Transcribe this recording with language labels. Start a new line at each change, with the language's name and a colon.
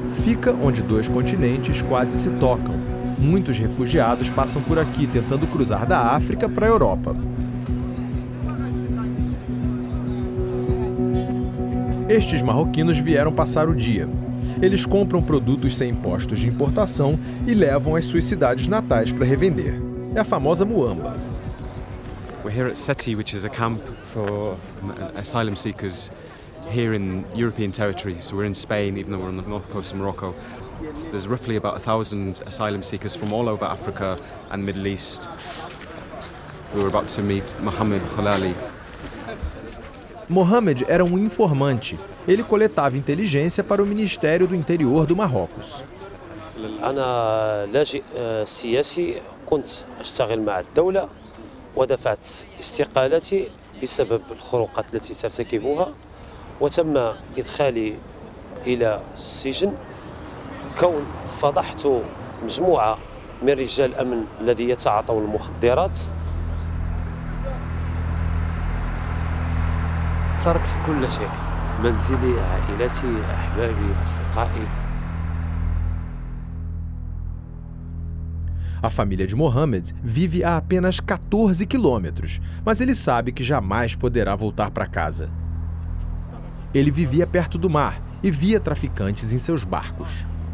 Portuguese: Fica onde dois continentes quase se tocam. Muitos refugiados passam por aqui tentando cruzar da África para a Europa. Estes marroquinos vieram passar o dia. Eles compram produtos sem impostos de importação e levam às suas cidades natais para revender. É a famosa muamba.
English: We're here at Seti, which is a camp for asylum seekers here in European territory. So we're in Spain, even though we're on the north coast of Morocco. There's roughly about 1,000 asylum seekers from all over Africa and the Middle East. We were about to meet Mohamed Khalali.
Portuguese: Mohamed era um informante. Ele coletava inteligência para o Ministério do Interior do Marrocos.
Arabic: أنا لاجئ سياسي، كنت أشتغل مع الدولة ودفعت استقالتي بسبب الخروقات التي ترتكبها، وتم إدخالي إلى السجن كون فضحت مجموعة من رجال الأمن الذين يتعاطون المخدرات. تركت كل شيء، منزلي، عائلتي، أحبابي، أصدقائي.
Portuguese: A família de Mohamed vive a apenas 14 quilômetros, mas ele sabe que jamais poderá voltar para casa. Ele vivia perto do mar e via traficantes em seus barcos.